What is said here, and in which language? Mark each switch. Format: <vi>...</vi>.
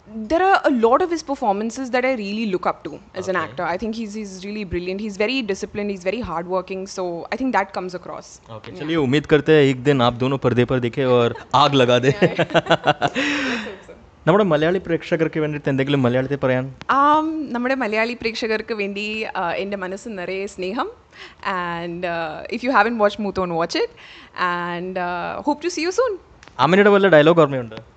<en>There are a lot of his performances that I really look up to as okay. an actor. I think he's really brilliant. He's very disciplined. He's very hardworking. So I think that comes across. Okay.</en> <hi>चलिए उम्मीद करते हैं एक दिन आप दोनों पर्दे पर दिखे और आग लगा दे.</hi> <ml>നമ്മുടെ മലയാളി പ്രേക്ഷകർക്ക് വേണ്ടിയിട്ട് എന്തെങ്കിലും മലയാളത്തിൽ പറയാൻ? നമ്മുടെ മലയാളി പ്രേക്ഷകർക്ക് വേണ്ടി എൻ്റെ മനസ്സ് നിറയെ സ്നേഹം.</ml> <en>And if you haven't watch Moothon watch it and hope to see you soon.</en> <ml>അമ്മയുടെ വല്ല ഡയലോഗ് ഓർമ്മയുണ്ട്?</ml>